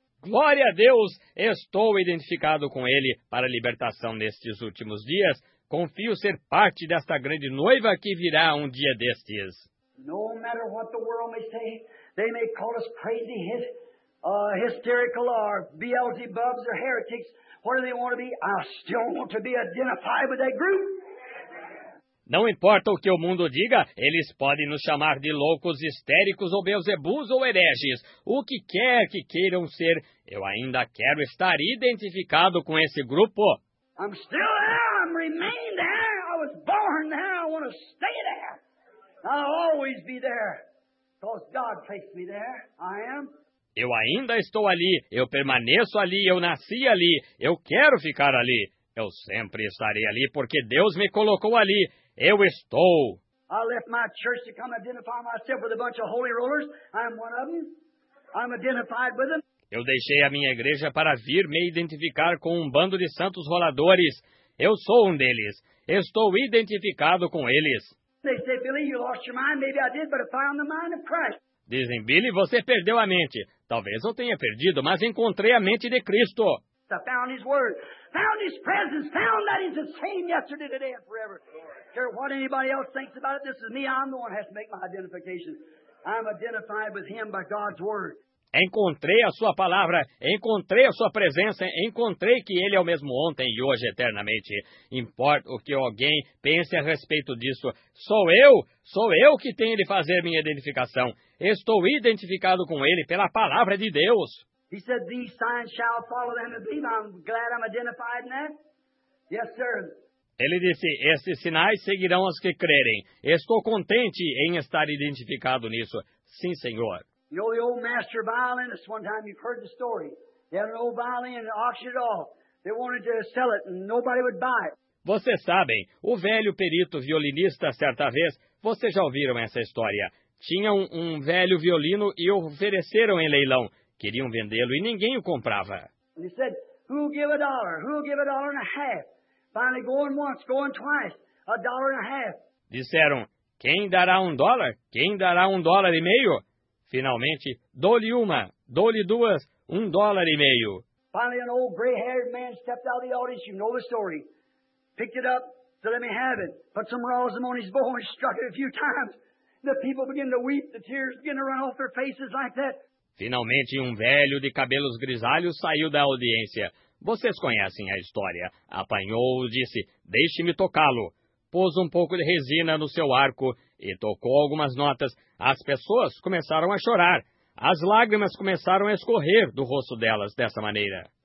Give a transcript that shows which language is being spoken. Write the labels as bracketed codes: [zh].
[pt] Glória a Deus, estou identificado com ele para a libertação nestes últimos dias. Confio ser parte desta grande noiva que virá um dia destes. [en] No matter what the world may say, they may call us crazy, hysterical, or Beelzebubs, or heretics, whatever they want to be, I still want to be identified with that group. [pt] Não importa o que o mundo diga, eles podem nos chamar de loucos, histéricos, ou beuzebus, ou hereges. O que quer que queiram ser, eu ainda quero estar identificado com esse grupo. [en] I'm still there, I'm remain there, I was born there, I want to stay there. I'll always be there, because God placed me there, I am. [pt] Eu ainda estou ali, eu permaneço ali, eu nasci ali, eu quero ficar ali. Eu sempre estarei ali, porque Deus me colocou ali. Eu estou. [en] I left my church to come identify myself with a bunch of holy rollers. I'm one of them. I'm identified with them. [pt] Eu deixei a minha igreja para vir me identificar com um bando de santos roladores. Eu sou um deles. Estou identificado com eles. [en] They say, Billy, you lost your mind. Maybe I did, but I found the mind of Christ. [pt] Dizem, Billy, você perdeu a mente. Talvez eu tenha perdido, mas encontrei a mente de Cristo. [en] I found his word. Found his presence. Found that he's the same yesterday, today, and forever. Care what anybody else thinks about it. This is me. I'm the one who has to make my identification. I'm identified with him by God's word. [pt] Encontrei a sua palavra. Encontrei a sua presença. Encontrei que ele é o mesmo ontem e hoje eternamente. Importa o que alguém pense a respeito disso. Sou eu que tenho de fazer minha identificação. Estou identificado com ele pela palavra de Deus. [en] He said, "These signs shall follow them that believe." I'm glad I'm identified in that. Yes, sir. [pt] Ele disse, "Esses sinais seguirão os que crerem." Estou contente em estar identificado nisso. Sim, senhor. [en] You know the old master violinist. One time, you've heard the story. He had an old violin and auctioned it off. They wanted to sell it, and nobody would buy it. [pt] Vocês sabem, o velho perito violinista certa vez. Vocês já ouviram essa história? Tinha um velho violino e ofereceram em leilão. Queriam vendê-lo e ninguém o comprava. [en] And he said, Who'll give a dollar? Who'll give a dollar and a half? Finally, going once, going twice, a dollar and a half. [pt] Disseram, quem dará dólar? Quem dará dólar e meio? Finalmente, dou-lhe uma, dou-lhe duas, dólar e meio. [en] Finally, an old gray-haired man stepped out of the audience. You know the story. Picked it up, said, let me have it. Put some rosin on his bow and struck it a few times. The people begin to weep. The tears begin to run off their faces like that. [pt] Finalmente, velho de cabelos grisalhos saiu da audiência. Vocês conhecem a história. Apanhou, disse, deixe-me tocá-lo. Pôs pouco de resina no seu arco e tocou algumas notas. As pessoas começaram a chorar. As lágrimas começaram a escorrer do rosto delas dessa maneira.